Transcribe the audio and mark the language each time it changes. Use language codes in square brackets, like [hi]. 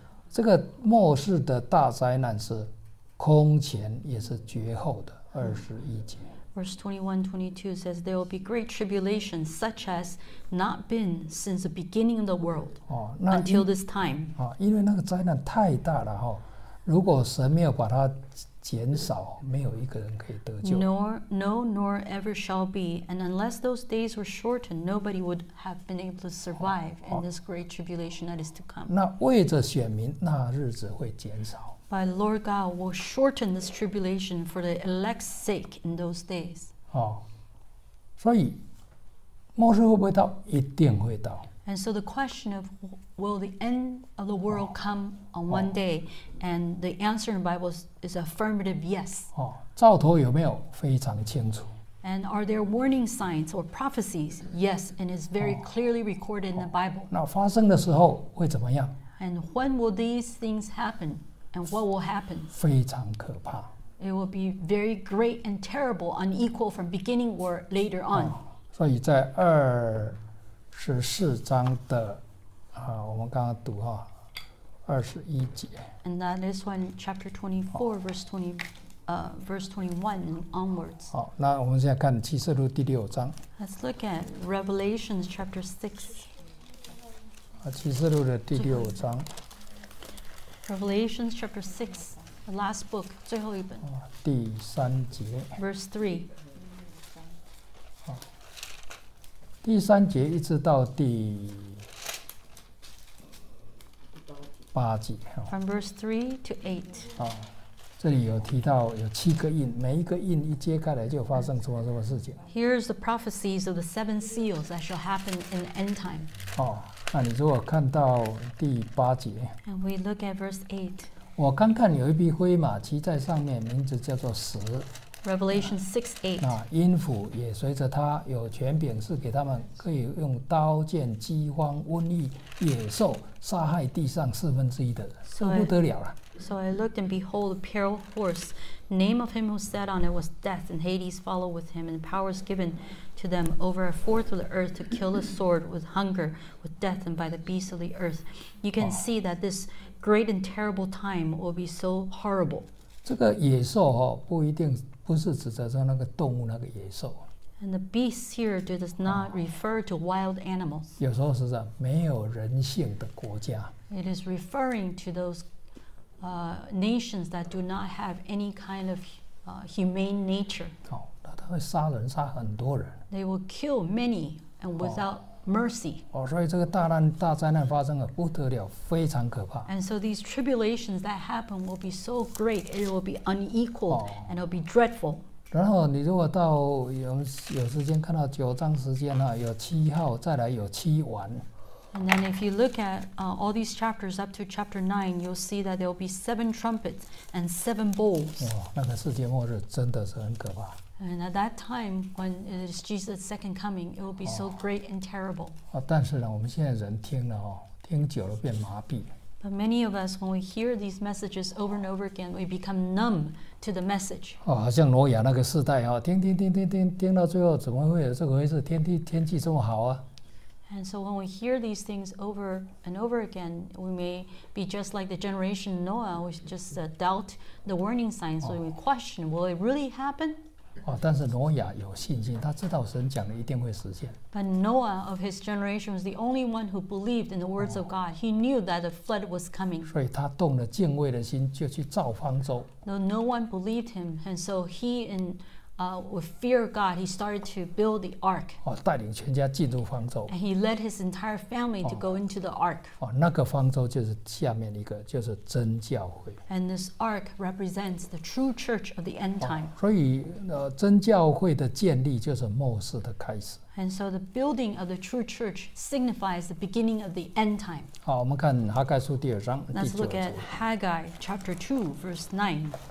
[zh] 这个末世的大灾难是空前也是绝后的二十一节。 [en] Verse 21-22 says there will be great tribulation such as not been since the beginning of the world until this time. [zh] 因为那个灾难太大了如果神没有把它减少，没有一个人可以得救。 [en] Nor ever shall be, and unless those days were shortened, nobody would have been able to survive in this great tribulation that is to come. [zh] 那为着选民，那日子会减少。 [en] But Lord God will shorten this tribulation for the elect's sake in those days. [zh] 所以末世会不会到？一定会到。 [en] And so the question of will the end of the world come on one day? And the answer in the Bible is affirmative yes. [zh] 兆头有没有非常清楚。 [en] And are there warning signs or prophecies? Yes, and it's very clearly recorded in the Bible. [zh] 那发生的时候会怎么样? [en] And when will these things happen? And what will happen? [zh] 非常可怕。 [en] It will be very great and terrible, unequal from beginning or later on. [zh] 所以在二十四章的我们刚刚读二十一节。 [en] And that is when chapter 24, verse 20,verse 21 onwards. [zh] 好，那我们现在看启示录第六章。 [en] Let's look at Revelation chapter 6. [zh] 启示录的第六章。 [en] Revelation chapter 6, the last book, [zh] 最后一本。第三节。 [en] Verse 3. [zh] 第三节一直到第八节。 [en] From verse 3 to 8. [zh] 这里有提到有七个印，每一个印一揭开来就发生什么什么事情。 [en] Here's the prophecies of the seven seals that shall happen in the end time. [zh] 那你如果看到第八节。 [en] And we look at verse 8. [zh] 我刚看有一匹灰马骑在上面，名字叫做死。 [en] Revelation 6:8. [zh] 那阴府也随着他有权柄，是给他们可以用刀剑、饥荒、瘟疫、野兽杀害地上四分之一的人，这不得了了。 [en] So I looked and behold, a pale horse. Name of him who sat on it was Death, and Hades followed with him, and powers given to them over a fourth of the earth to kill the sword with hunger, with death, and by the beasts of the earth. You can see that this great and terrible time will be so horrible. [zh] 这个野兽不一定。不是指的是那个动物那个野兽。 [en] And the beasts here does not refer to wild animals. [zh] 有时候是讲没有人性的国家。 [en] It is referring to those nations that do not have any kind of humane nature. [zh] 那他会杀人杀很多人。 [en] They will kill many and without mercy. [zh] 所以这个大灾难发生了不得了，非常可怕。 [en] And so these tribulations that happen will be so great, it will be unequal and it will be dreadful. [zh] 然后你如果到有时间看到九章时间有七号，再来有七丸。 [en] And then if you look at all these chapters up to chapter 9, you'll see that there will be seven trumpets and seven bowls. [zh] 那个世界末日真的是很可怕。 [en] And at that time, when it is Jesus' second coming, it will be so great and terrible. [zh] 但是呢，我们现在人听了听久了变麻痹。 [en] But many of us, when we hear these messages over and over again, we become numb to the message. [zh] 好像挪亚那个世代听到最后怎么会有这回事？天气这么好啊！ [en] And so when we hear these things over and over again, we may be just like the generation Noah, we just doubt the warning signs, so we question, will it really happen? [zh] 但是挪亚有信心，他知道神讲的一定会实现。 [en] But Noah of his generation was the only one who believed in the words of God. He knew that the flood was coming. [zh] 所以他动了敬畏的心，就去造方舟。 [en] Though no one believed him, and so he in with fear of God, he started to build the ark. [zh] 带领全家进入方舟。 [en] And he led his entire family to go into the ark. [zh] 那个方舟就是下面一个，就是真教会。 [en] And this ark represents the true church of the end time. [zh] 所以真教会的建立就是末世的开始。 [en] And so the building of the true church signifies the beginning of the end time. [zh] 我们看哈该书第二章。 [en] Let's look at Haggai chapter 2, verse 9.